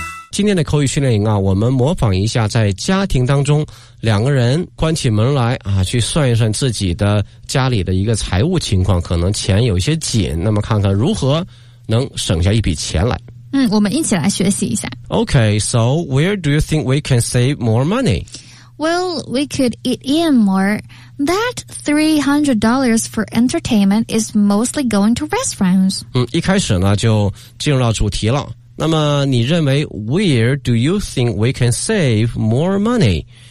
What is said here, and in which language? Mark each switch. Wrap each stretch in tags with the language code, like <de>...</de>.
<zh>今天的口语训练营啊我们模仿一下在家庭当中两个人关起门来啊去算一算自己的家里的一个财务情况可能钱有些紧那么看看如何能省下一笔钱来嗯我们一起来学习一下</zh> <en>Okay, so where do you think we can save more money? Well, we could eat in more. That $300 for entertainment is mostly going to restaurants.</en> <zh>嗯一开始呢就进入到主题了。那么你认为</zh> <en>where do you think we can save more money?</en>